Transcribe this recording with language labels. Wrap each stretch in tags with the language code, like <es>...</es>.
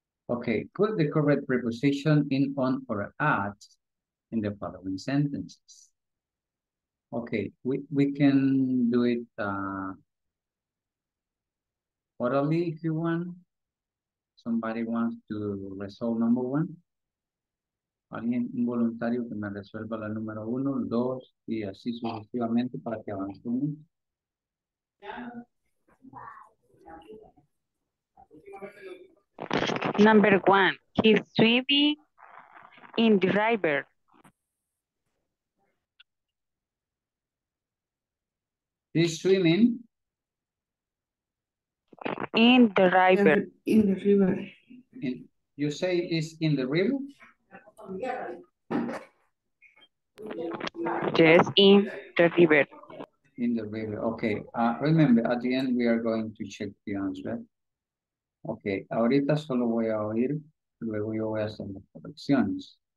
<en>Okay, put the correct preposition in, on, or at in the following sentences. Okay, we can do it orally if you want. Somebody wants to resolve number one.</en> <es>Alguien, un voluntario que me resuelva la número uno, dos, y así sucesivamente para que avancemos.</es> <en>Number one, he's swimming in the river. He's swimming. in the river. In the river. You say it's in the river? Yes, in the river. In the river, okay. Remember, at the end, we are going to check the answer.</en> <es>Okay, ahorita solo voy a oír, luego yo voy a hacer las correcciones.</es>